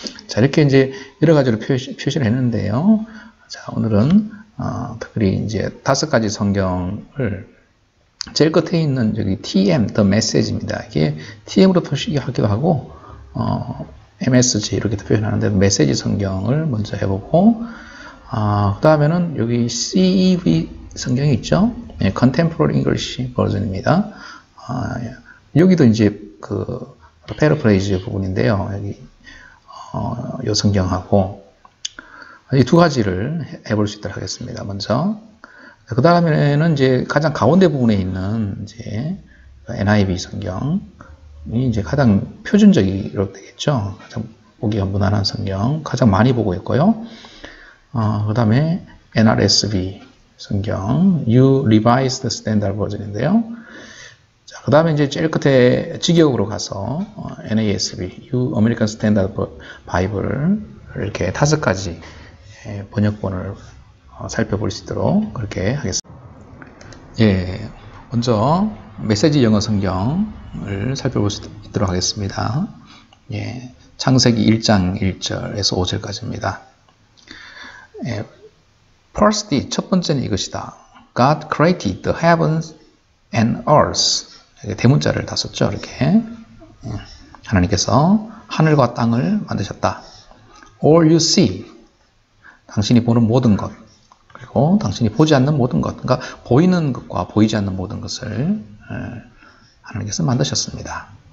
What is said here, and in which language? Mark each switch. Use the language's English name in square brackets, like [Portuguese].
[Korean] 자, 이렇게 이제 여러 가지로 표시를 했는데요. 자, 오늘은 특별히 이제 5가지 성경을 제일 끝에 있는 저기 TM, The Message입니다. 이게 TM으로 표시하기도 하고, MSG 이렇게 표현하는데, 메시지 성경을 먼저 해보고, 그 다음에는 여기 CEV 성경이 있죠? 예, Contemporary English Version입니다. 여기도 이제 Paraphrase 부분인데요. 여기, 요 성경하고, 이두 가지를 해볼 수 있도록 하겠습니다. 먼저. 그 다음에는 이제 가장 가운데 부분에 있는 이제 NIV 성경이 이제 가장 표준적으로 되겠죠. 가장 보기가 무난한 성경, 가장 많이 보고 있고요. 그 다음에 NRSV 성경, New Revised Standard Version인데요. 자, 그 다음에 이제 제일 끝에 직역으로 가서 NASV, New American Standard Bible 이렇게 5가지 번역본을 살펴볼 수 있도록 그렇게 하겠습니다. 예, 먼저 메시지 영어 성경을 살펴볼 수 있도록 하겠습니다. 예, 창세기 1장 1절에서 5절까지입니다. 예, First, 첫 번째는 이것이다. [English] God created the heavens and earth. [Korean] 이렇게 대문자를 다 썼죠, 이렇게. 하나님께서 하늘과 땅을 만드셨다. [English] All you see, [Korean] 당신이 보는 모든 것. 그리고 당신이 보지 않는 모든 것, 그러니까 보이는 것과 보이지 않는 모든 것을 하나님께서 만드셨습니다.